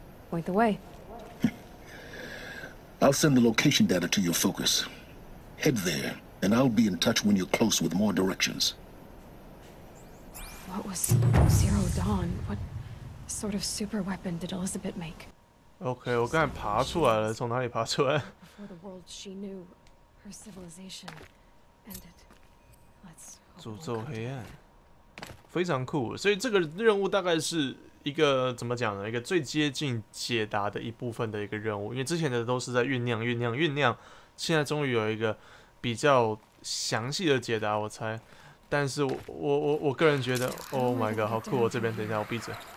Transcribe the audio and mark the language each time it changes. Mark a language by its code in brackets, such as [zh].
[en] Point the way. I'll send the location data to your focus. Head there, and I'll be in touch when you're close with more directions. What was Zero Dawn? What sort of super weapon did Elizabeth make? [zh] Okay, 我刚才爬出来了，从哪里爬出来？ [en] Before the world she knew, her civilization ended. Let's hope. [zh] 诅咒黑暗，非常酷。所以这个任务大概是一个怎么讲呢？一个最接近解答的一部分的一个任务，因为之前的都是在酝酿、酝酿、酝酿。现在终于有一个比较详细的解答，我猜。但是我个人觉得 ， [en] Oh my god， [zh] 好酷！我这边等一下，我闭嘴。